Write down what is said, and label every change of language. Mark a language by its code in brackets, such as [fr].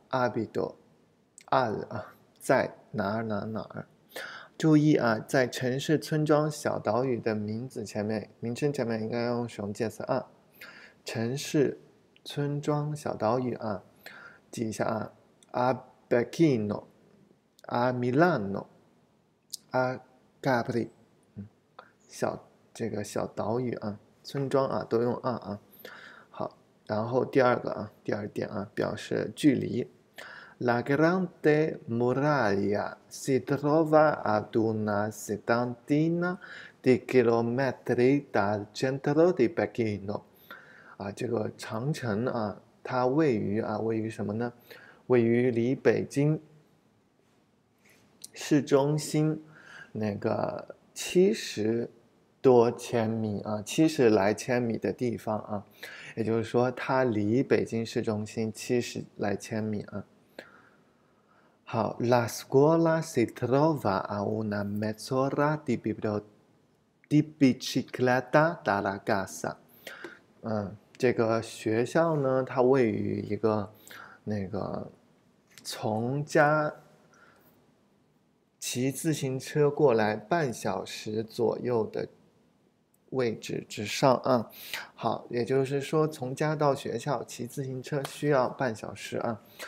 [zh] Abito al 啊，在哪儿哪儿哪儿。注意啊，在城市、村庄、小岛屿的名字前面，名称前面应该用什么介词啊？城市、村庄、小岛屿啊，记一下啊。 [it] A Pechino, a Milano, a Capri，小岛屿啊，村庄啊，都用啊。 [zh] 好，然后第二个啊，第二点啊，表示距离。 [it] La grande muraglia si trova ad una settantina di chilometri dal centro di Pechino。 [zh] 啊，这个长城啊，它位于啊，位于什么呢？位于离北京市中心那个70多千米啊，70来千米的地方啊，也就是说，它离北京市中心70来千米啊。 [it] 好，La scuola si trova a una mezz'ora di bicicletta dalla casa。 [zh] 这个学校呢，它位于一个那个从家骑自行车过来半小时左右的位置之上啊。好，也就是说，从家到学校骑自行车需要半小时啊。